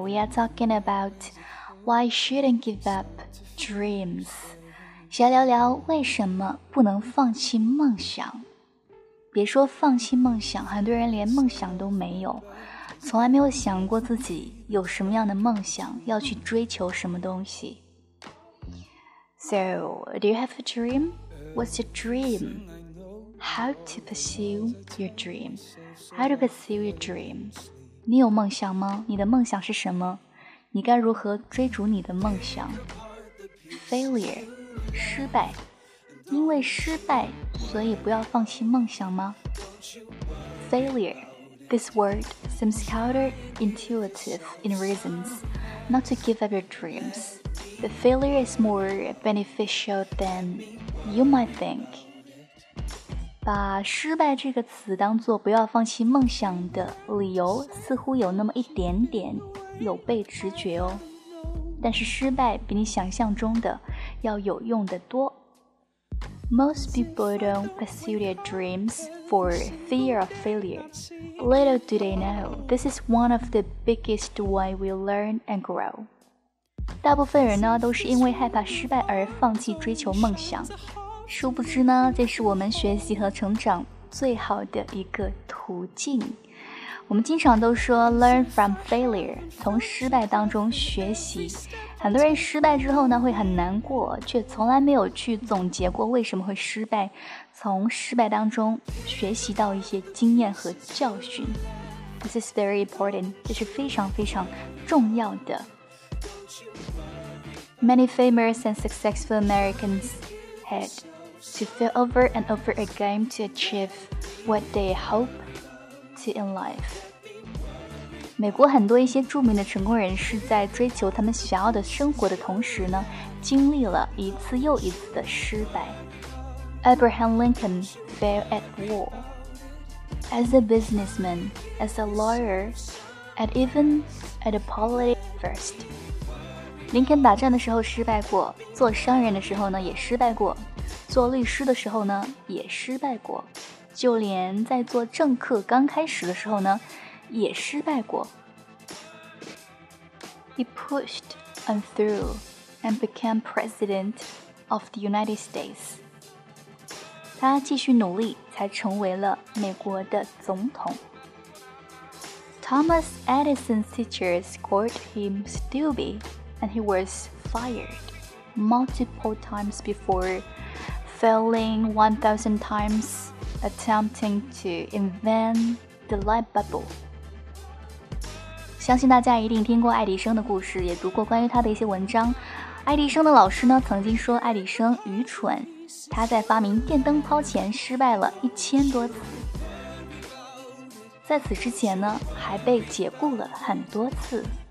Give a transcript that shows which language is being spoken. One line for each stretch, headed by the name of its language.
English: We are talking about why shouldn't give up dreams.
Chinese: 谁来聊聊为什么不能放弃梦想。别说放弃梦想，很多人连梦想都没有，从来没有想过自己有什么样的梦想，要去追求什么东西。
English: So, do you have a dream? What's your dream? How to pursue your dream? How to pursue your dream?
Chinese: 你有梦想吗？你的梦想是什么？你该如何追逐你的梦想？
English: Failure,
Chinese: 失败。因为失败，所以不要放弃梦想吗？
English: Failure, this word seems counterintuitive in reasons not to give up your dreams. The failure is more beneficial than you might think.
Chinese: 把失败这个词当作不要放弃梦想的理由，似乎有那么一点点有悖直觉哦。但是失败比你想象中的要有用的多。
English: Most people don't pursue their dreams for fear of failure. Little do they know, this is one of the biggest ways we learn and grow.
Chinese: 大部分人呢都是因为害怕失败而放弃追求梦想，殊不知呢，这是我们学习和成长最好的一个途径。我们经常都说
English: learn from failure，
Chinese: 从失败当中学习。很多人失败之后呢会很难过，却从来没有去总结过为什么会失败，从失败当中学习到一些经验和教训。
English: This is very important，
Chinese: 这是非常非常重要的。
English: Many famous and successful Americans had to fail over and over again to achieve what they hope to in life.
Chinese: 美国很多一些著名的成功人士在追求他们想要的生活的同时呢，经历了一次又一次的失败。
English: Abraham Lincoln failed at war. As a businessman, as a lawyer, and even at a politician first.
Chinese: 林肯打仗的时候失败过，做商人的时候呢也失败过，做律师的时候呢也失败过，就连在做政客刚开始的时候呢也失败过。
English: He pushed on through and became president of the United States.
Chinese: 他继续努力才成为了美国的总统。
English: Thomas Edison's teachers called him stupid. And he was fired multiple times before failing 1,000 times attempting to invent the light bulb.
Chinese: 相信大家一定听过爱迪生的故事，也读过关于他的一些文章。爱迪生的老师呢，曾经说爱迪生愚蠢，他在发明电灯泡前失败了1000多次，在此之前呢，还被解雇了很多次。